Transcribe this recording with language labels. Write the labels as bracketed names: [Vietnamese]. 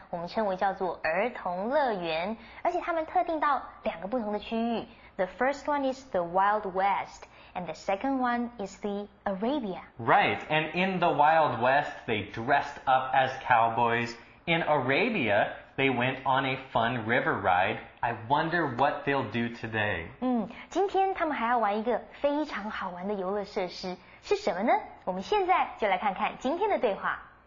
[Chinese] 我们称为叫做儿童乐园。而且他们特定到两个不同的区域。 [English] The first one is the Wild West, and the second one is the Arabia. Right, and in the Wild West, they dressed up as cowboys. In Arabia, they went on a fun river ride. I wonder what they'll do today. [Chinese] 今天他们还要玩一个非常好玩的游乐设施，是什么呢？我们现在就来看看今天的对话。